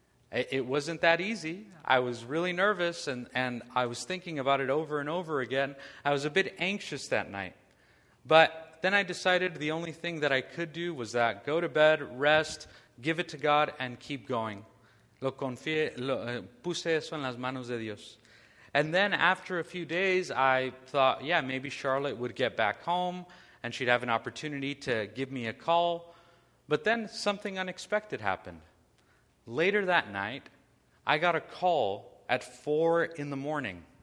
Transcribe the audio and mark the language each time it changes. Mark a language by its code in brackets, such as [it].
[en] It wasn't that easy. I was really nervous, and I was thinking about it over and over again. I was a bit anxious that night. But then I decided the only thing that I could do was that go to bed, rest, give it to God, and keep going. [es] Lo confié, puse eso en las manos de Dios. [en] And then after a few days, I thought, yeah, maybe Charlotte would get back home and she'd have an opportunity to give me a call. But then something unexpected happened. Later that night, I got a call at 4 a.m.